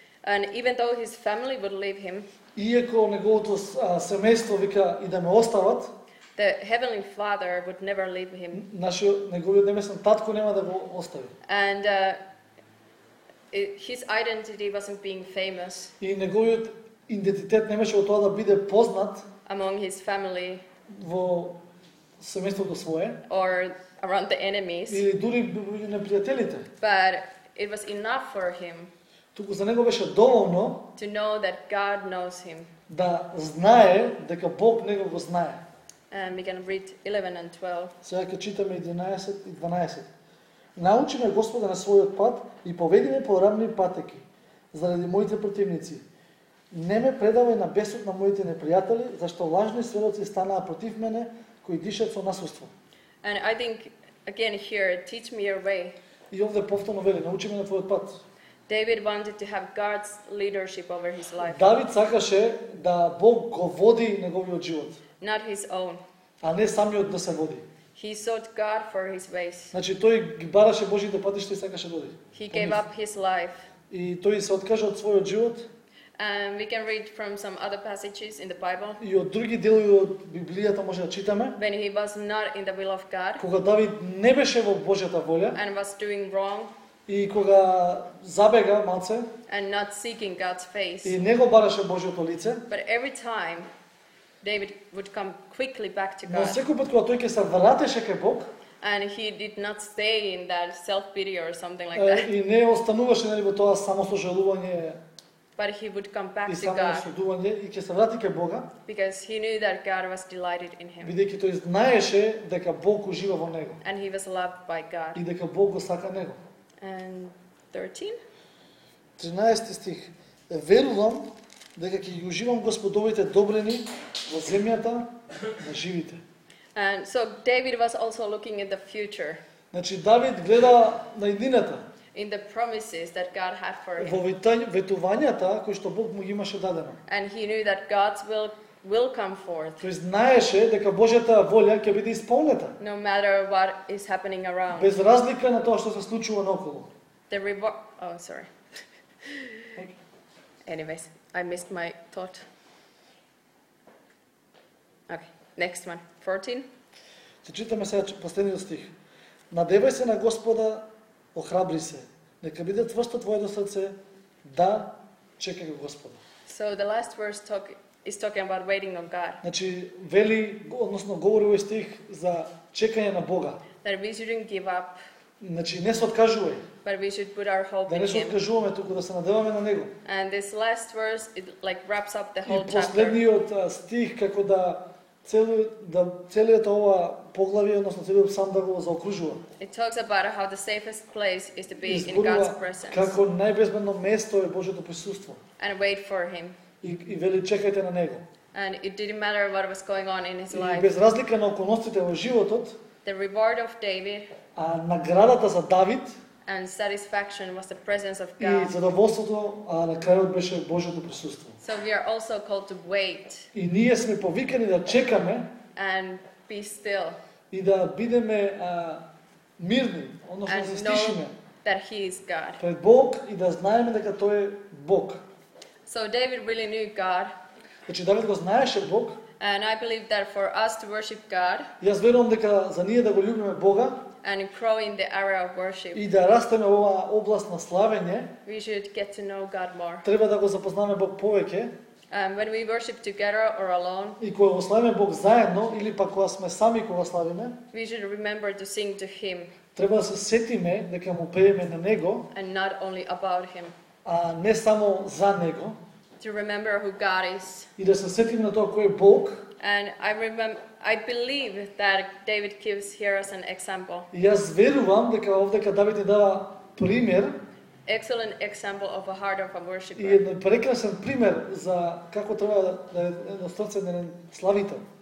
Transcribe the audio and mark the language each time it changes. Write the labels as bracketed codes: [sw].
[en] And even though his family would leave him. [mk] Иако неговото семејство вика и да ме остават. [en] The heavenly Father would never leave him. [mk] Нашиот неговиот небесен татко нема да го остави. [en] And his identity wasn't being famous. [mk] И неговиот идентитет немаше во тоа да биде познат. [en] Among his family. [mk] Во семејството свое [en] or around the enemies [mk] или дури меѓу непријателите. [en] But it was enough for him. [mk] Туку за него беше доволно [en] to know that God knows him. [mk] Да знае дека Бог него го знае. [en] And we can read 11 and 12. [mk] Сега ќе читаме 11 и 12. Научи ме Господе на својот пат и поведи ме по рамни патеки заради моите противници. Не ме предавај на бесот на моите непријатели, зашто лажни сведоци станаа против мене, кои дишат со насилство. [en] And I think again here, teach me your way. [mk] И овде повторно вели, научи ме на твојот пат. [en] David wanted to have God's leadership over his life. [mk] Давид сакаше да Бог го води неговиот живот. [en] Not his own. [mk] А не самиот да се води. [en] He sought God for his ways. [mk] Значи тој ги бараше Божјите патишта и сакаше да води. [en] He gave up his life. [mk] И тој се откажа од својот живот. [en] And we can read from some other passages in the Bible. [mk] И од други делови од Библијата може да читаме. [en] When he was not in the will of God. [mk] Кога Давид не беше во Божјата воља. [en] And was doing wrong. [mk] И кога забега малце. [en] And not seeking God's face. [mk] И не го бараше Божјото лице. [en] But every time David would come quickly back to God. [mk] Но секојпат кога тој ќе се вратеше кај Бог. [en] And he did not stay in that self-pity or something like that. [mk] И не остануваше нели во тоа самосожалување. [en] But he would come back [mk] и [en] to God. [mk] И ќе се врати кај Бога. [en] Because he knew that God was delighted in him. [mk] Бидејќи тој знаеше дека Бог ужива во него. [en] And he was loved by God. [mk] И дека Бог го сака него. [en] And 13. [mk] 13 стих. Верувам дека ќе ги уживам Господовите добрини во земјата на живите. [en] And so David was also looking at the future. [mk] Значи Давид гледа на иднината. [en] In the promises that God had for him. [mk] Во ветувањата кои што Бог му ги имаше дадено. [en] And he knew that God's will come forth. [mk] Тој знаеше дека Божјата воља ќе биде исполнета. [en] No matter what is happening around. [mk] Без разлика на тоа што се случува наоколу. [en] The oh sorry. Anyways, I missed my thought. Okay, next one. 14. [mk] Се читаме сега последниот стих. Надевај се на Господа, охрабри се. Нека биде тврсто твоето срце, да чека го Господа. [en] So the last verse is talking about waiting on God. [mk] Значи вели, односно говори овој стих за чекање на Бога. [en] That we shouldn't give up. [mk] Значи не се откажувај. [en] But we should put our hope [mk] да не се откажуваме, туку да се надеваме на него. [en] And this last verse it like wraps up the whole chapter. [mk] И последниот стих како да целиот ова поглавје, односно целиот псалм да го заокружува. [en] It talks about how the safest place is to be in God's presence. [mk] Како најбезбедно место е Божјото присуство. [en] And wait for him. [mk] И вели чекајте на него. [en] And it didn't matter what was going on in his life. [mk] И без разлика на околностите во животот. [en] The reward of David. [mk] А наградата за Давид. [en] And satisfaction was the presence of God. [mk] И задоволството на крајот беше Божјото присуство. [en] So we are also called to wait. [mk] И ние сме повикани да чекаме. [en] And be still. [mk] И да бидеме мирни, односно да се стишиме. [en] That he is God. [mk] Пред Бог и да знаеме дека тој е Бог. [en] So David really knew God. [mk] Значи Давид го знаеше Бог. [en] And I believe that for us to worship God. [mk] Јас верувам дека за ние да го љубиме Бога. [en] And grow in the area of worship. [mk] И да растеме во оваа област на славење. [en] We should get to know God more. [mk] Треба да го запознаваме Бог повеќе. [en] And when we worship together or alone. [mk] И кога го славиме Бог заедно или пак кога сме сами кога славиме. [en] We should remember to sing to him. [mk] Треба да се сетиме дека му пееме на него. [en] And not only about him. [mk] А не само за него. [en] To remember who God is. [mk] И да се сетиме на тоа кој е Бог. [en] And I believe that David gives here as an example. [mk] Јас верувам дека овде кога Давид ни дава пример. [en] Excellent example of a heart of a worshipper. [mk] И еден прекрасен пример за како треба да е едно срце на еден славител.